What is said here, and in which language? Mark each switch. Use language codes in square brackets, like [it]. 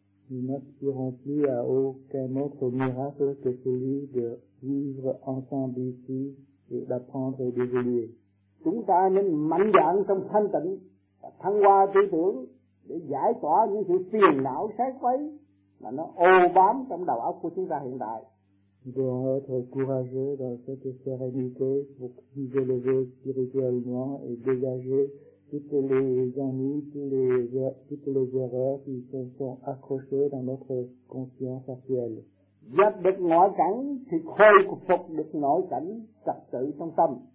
[fr] Nous n'aspirons plus à aucun autre miracle que celui de vivre ensemble ici et d'apprendre et d'évoluer. [vi] Chúng ta nên mạnh dạn trong thanh tịnh và thăng hoa tư tưởng để giải tỏa những sự phiền não sái quấy mà nó ô bám trong đầu óc của chúng ta hiện tại. [fr] Nous devons être courageux dans cette sérénité pour nous élever spirituellement et dégager toutes les ennuis, toutes les erreurs qui se sont accrochées dans notre conscience actuelle. [vi] Dập được ngoại cảnh thì khôi phục được nội cảnh trật tự trong tâm.